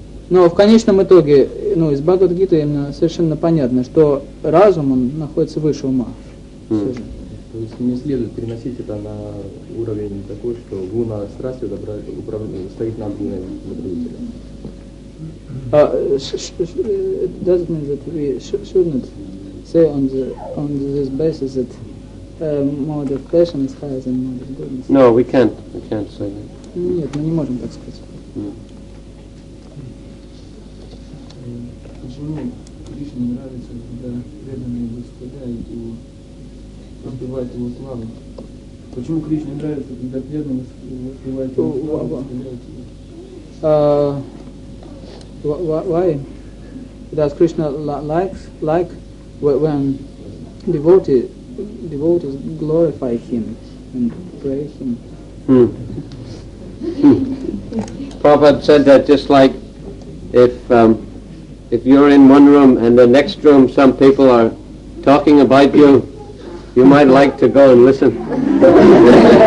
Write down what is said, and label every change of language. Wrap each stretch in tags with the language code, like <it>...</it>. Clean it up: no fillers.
<ru>Но в конечном итоге, ну, из Бхагавад Гиты именно совершенно понятно, что разум, он находится выше ума. То есть не следует переносить это на уровень такой, что гуна страсти стоит над гуной добродетели.</ru> <en>Does it mean that we should not say on this basis that mode of passion is higher than mode of goodness? No, we can't say that.</en> <ru>Нет, мы не можем так сказать. Mm. Почему Кришне нравится, когда преданные восхваляют его, воспевают его славу? Почему Кришне нравится, когда преданные воспевают его славу, воспевают его?</ru> <en>Why does Krishna like when devotees glorify him and praise him? Prabhupada said that just like if you're in one room and the next room some people are talking about you, you might like to go and listen.</en>